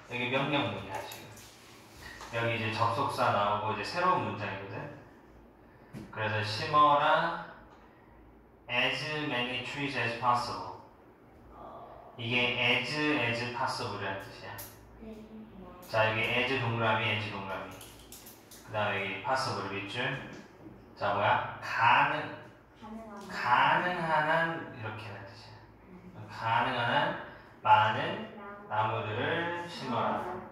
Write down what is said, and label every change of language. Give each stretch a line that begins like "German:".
Korean: 여기 명령문이야, 지금. 여기 이제 접속사 나오고 이제 새로운 문장이거든. 그래서 심어라.
English: As many trees as possible.
Korean: 이게 as possible이라는 뜻이야. 자, 여기 as 동그라미, as 동그라미. 그 다음에 여기 possible 밑줄. 자, 뭐야? 가능. 가능한 한 이렇게 하는 뜻이야. 가능한 한 많은 나무들을 심어라.